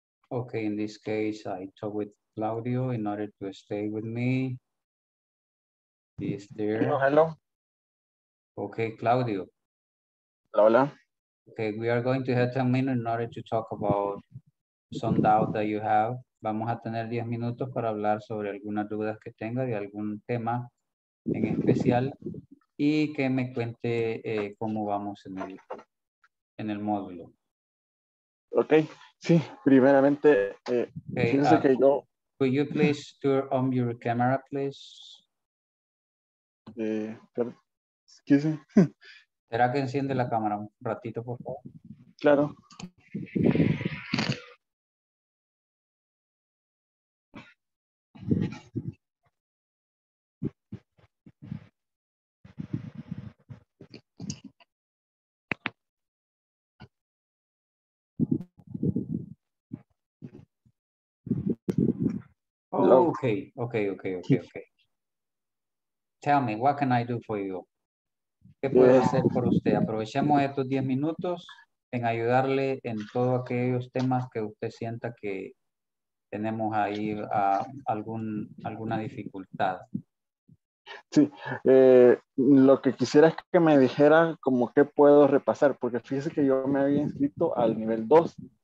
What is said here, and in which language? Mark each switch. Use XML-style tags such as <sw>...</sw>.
<en>Okay, in this case, I talk with Claudio in order to stay with me. He's there. Hello, hello. Okay, Claudio.</en> <es>Hola, hola.</es> <en>Okay, we are going to have 10 minutes in order to talk about some doubt that you have.</en> <es>Vamos a tener 10 minutos para hablar sobre algunas dudas que tenga de algún tema en especial y que me cuente cómo vamos en el módulo. Ok, sí, primeramente, fíjense que yo...</es> <en>Could you please turn on your camera, please? Excuse me.</en> <es>¿Será que enciende la cámara un ratito, por favor? Claro.</es> <en>Okay. Tell me, what can I do for you?</en> <es>¿Qué puedo hacer por usted? Aprovechemos estos 10 minutos en ayudarle en todos aquellos temas que usted sienta que tenemos ahí a alguna dificultad. Sí, lo que quisiera es que me dijera como qué puedo repasar, porque fíjese que yo me había inscrito al nivel 2.</es>